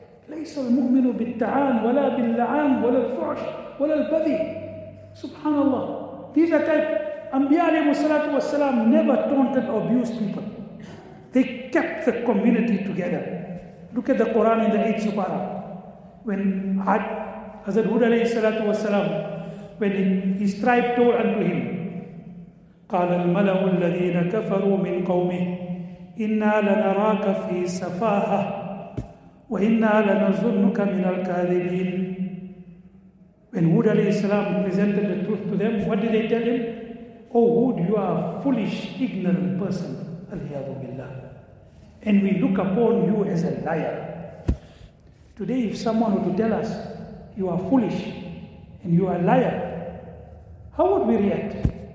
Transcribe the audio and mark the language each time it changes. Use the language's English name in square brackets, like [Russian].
[Arabic] لَيْسَ الْمُؤْمِنُ بِالتَّعَانِ وَلَا بِاللَّعَانِ وَلَا الْفُحْشِ وَلَا الْبَذِي. [English] Subhanallah. These are type. Anbiya alayhi salatu wa salam never taunted or abused people. They kept the community together. Look at the Quran in the 8th Supara. When Hazrat Hud alayhi salatu wa salam, when his tribe told unto him, [Arabic] قَالَ الْمَلَأُ الَّذِينَ كَفَرُوا مِنْ قَوْمِهِ إِنَّا لَنَرَاكَ فِي سَفَاهَةٍ وَإِنَّا لَنَظُنُّكَ مِنَ الْكَاذِبِينَ. [English] When Hud alayhi salam presented the truth to them, what did they tell him? Oh Hud, you are a foolish, ignorant person, Aliyadu Billah. And we look upon you as a liar. Today, if someone were to tell us, you are foolish and you are a liar, how would we react?